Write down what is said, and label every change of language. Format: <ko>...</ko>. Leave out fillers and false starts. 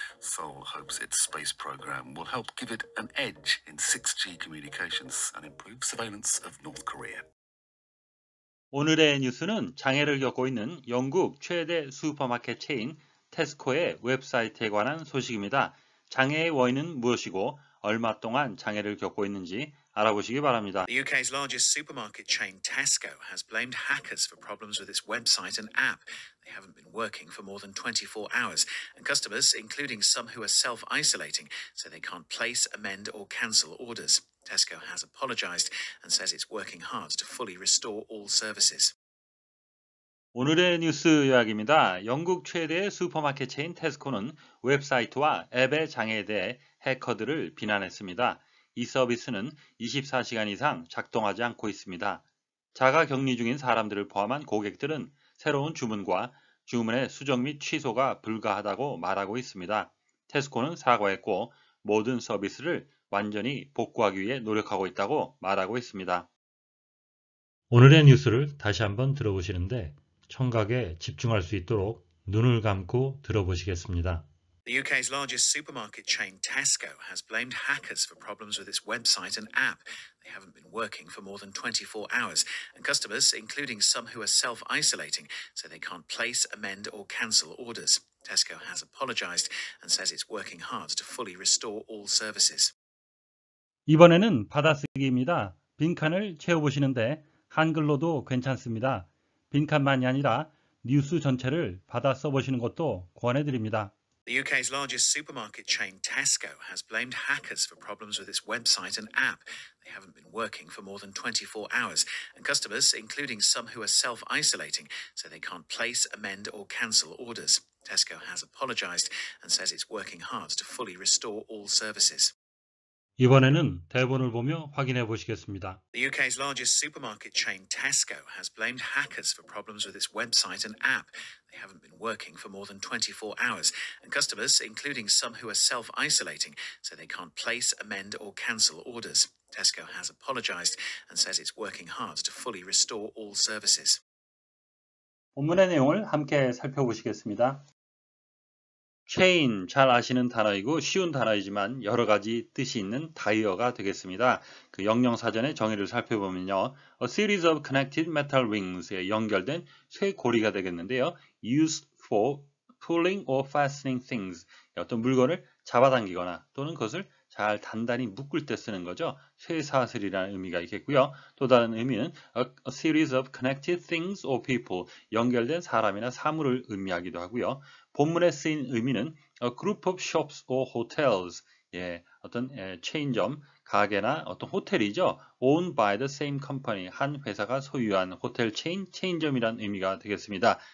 <en>Seoul hopes its space program will help give it an edge in 6G communications and improve surveillance of North Korea.</en> <ko>오늘의 뉴스는 장애를 겪고 있는 영국 최대 슈퍼마켓 체인 테스코의 웹사이트에 관한 소식입니다. 장애의 원인은 무엇이고 얼마 동안 장애를 겪고 있는지 알아보시기 바랍니다.</ko> <en>The UK's largest supermarket chain Tesco has blamed hackers for problems with its website and app. They haven't been working for more than 24 hours, and customers, including some who are self-isolating, say they can't place, amend, or cancel orders. Tesco has apologized and says it's working hard to fully restore all services.</en> <ko>오늘의 뉴스 요약입니다. 영국 최대의 슈퍼마켓 체인 테스코는 웹사이트와 앱의 장애에 대해 해커들을 비난했습니다. 이 서비스는 24시간 이상 작동하지 않고 있습니다. 자가 격리 중인 사람들을 포함한 고객들은 새로운 주문과 주문의 수정 및 취소가 불가하다고 말하고 있습니다. 테스코는 사과했고 모든 서비스를 완전히 복구하기 위해 노력하고 있다고 말하고 있습니다. 오늘의 뉴스를 다시 한번 들어보시는데 청각에 집중할 수 있도록 눈을 감고 들어보시겠습니다.</ko> <en>The UK's largest supermarket chain Tesco has blamed hackers for problems with its website and app. They haven't been working for more than 24 hours, and customers, including some who are self-isolating, say they can't place, amend, or cancel orders. Tesco has apologized and says it's working hard to fully restore all services.</en> <ko>이번에는 받아쓰기입니다. 빈칸을 채워보시는데 한글로도 괜찮습니다. 빈칸만이 아니라 뉴스 전체를 받아 써보시는 것도 권해드립니다.</ko> <en>The UK's largest supermarket chain Tesco has blamed hackers for problems with its website and app. They haven't been working for more than 24 hours, and customers, including some who are self-isolating, say they can't place, amend, or cancel orders. Tesco has apologized and says it's working hard to fully restore all services.</en> <ko>이번에는 대본을 보며 확인해 보시겠습니다.</ko> <en>The UK's largest supermarket chain Tesco has blamed hackers for problems with its website and app. They haven't been working for more than 24 hours, and customers, including some who are self-isolating, say they can't place, amend, or cancel orders. Tesco has apologized and says it's working hard to fully restore all services.</en> <ko>본문의 내용을 함께 살펴보시겠습니다. chain 잘 아시는 단어이고 쉬운 단어이지만 여러 가지 뜻이 있는 다이어가 되겠습니다. 그 영영사전의 정의를 살펴보면요.</ko> <en>A series of connected metal rings</en> <ko>에 연결된 쇠 고리가 되겠는데요.</ko> <en>used for pulling or fastening things.</en> <ko>어떤 물건을 잡아당기거나 또는 그것을 잘 단단히 묶을 때 쓰는 거죠. 쇠사슬이라는 의미가 있겠고요. 또 다른 의미는</ko> <en>a series of connected things or people.</en> <ko>연결된 사람이나 사물을 의미하기도 하고요. 본문에 쓰인 의미는</ko> <en>a group of shops or hotels.</en> <ko>예, 어떤 체인점, 가게나 어떤 호텔이죠.</ko> <en>owned by the same company.</en> <ko>한 회사가 소유한 호텔 체인, 체인점이란 의미가 되겠습니다.</ko>